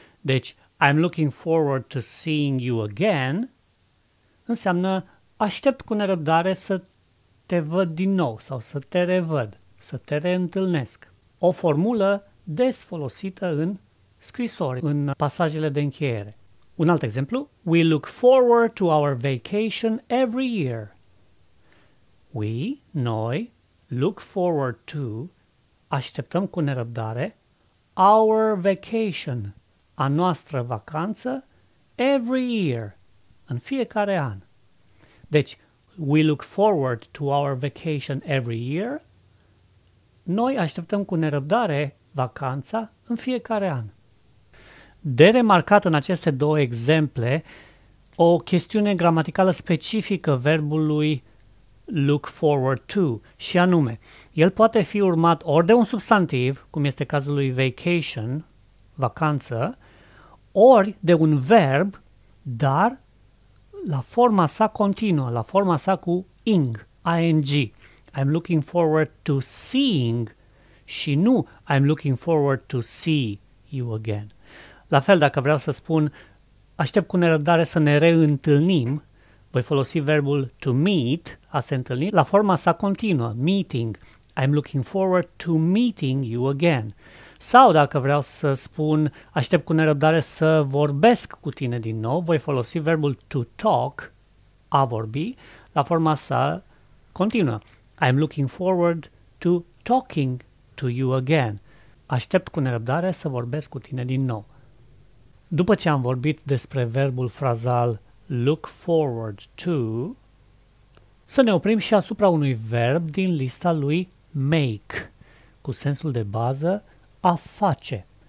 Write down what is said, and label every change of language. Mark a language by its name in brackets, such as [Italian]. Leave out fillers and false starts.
[Romanian] Deci, [English] I'm looking forward to seeing you again, [Romanian] înseamnă aștept cu nerăbdare să te văd din nou sau să te revăd, să te reîntâlnesc. O formulă des folosită în scrisori, în pasajele de încheiere. Un alt exemplu, [English] we look forward to our vacation every year. [Romanian] Noi, look forward to, așteptăm cu nerăbdare, [English] our vacation, [Romanian] a noastră vacanță, [English] every year, [Romanian] în fiecare an. Deci, [English] we look forward to our vacation every year. [Romanian] Noi așteptăm cu nerăbdare vacanța în fiecare an. De remarcat în aceste două exemple, o chestiune gramaticală specifică verbului look forward to, și anume, el poate fi urmat ori de un substantiv, cum este cazul lui vacation, vacanță, ori de un verb, dar la forma sa continuă, la forma sa cu ing, ing. [English] I'm looking forward to seeing [Romanian] și nu [English] I'm looking forward to see you again. [Romanian] La fel, dacă vreau să spun, aștept cu nerăbdare să ne reîntâlnim, voi folosi verbul to meet, a se întâlni, la forma sa continuă, meeting. [English] I'm looking forward to meeting you again. [Romanian] Sau dacă vreau să spun, aștept cu nerăbdare să vorbesc cu tine din nou, voi folosi verbul to talk, a vorbi, la forma sa continuă. [English] I'm looking forward to talking to you again. [Romanian] Aștept cu nerăbdare să vorbesc cu tine din nou. După ce am vorbit despre verbul frazal look forward to, să ne oprim și asupra unui verb din lista lui make, cu sensul de bază a face.